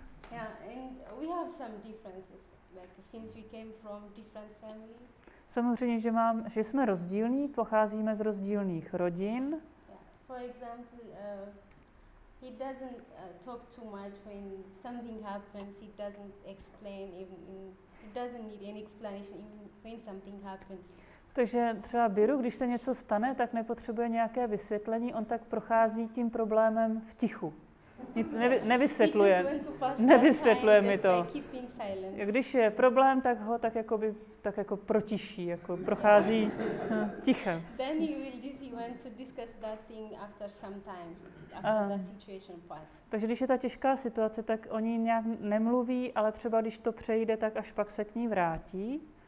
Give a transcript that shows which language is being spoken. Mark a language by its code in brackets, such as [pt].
[en] And we have some differences, like since we came from different families. [cs] Samozřejmě, že jsme rozdílní, pocházíme z rozdílných rodin. [en] Yeah. For example, he doesn't talk too much when something happens. He doesn't explain even. He doesn't need any explanation even when something happens. [cs] Takže třeba Biru, když se něco stane, tak nepotřebuje nějaké vysvětlení. On tak prochází tím problémem v tichu. Nevysvětluje. Nevysvětluje mi to. Když je problém, tak ho tak jako by tak jako protiší, jako prochází tichem. [en] Then he will want to discuss that thing after some time, after the situation passes. [cs] Takže když je ta těžká situace, tak oni nějak nemluví, ale třeba když to přejde, tak až pak se k ní vrátí.